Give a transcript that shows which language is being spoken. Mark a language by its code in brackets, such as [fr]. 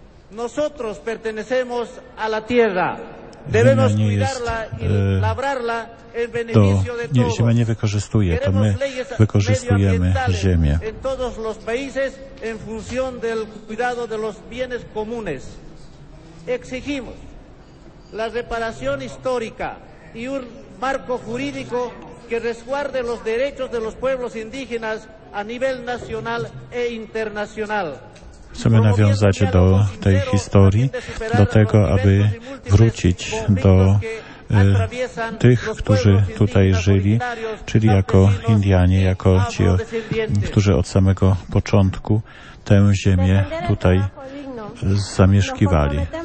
[es] Nosotros pertenecemos a la tierra. Debemos cuidarla y en beneficio de todos. [pl] Ziemia nie wykorzystuje, to my wykorzystujemy ziemię. [es] En todos los países en función del cuidado de los bienes comunes. Exigimos la reparación histórica y un marco jurídico que resguarde los derechos de los pueblos indígenas a nivel nacional e internacional. [pl] Chcemy nawiązać do tej historii, do tego, aby wrócić do tych, którzy tutaj żyli, czyli jako Indianie, jako ci, którzy od samego początku tę ziemię tutaj zamieszkiwali.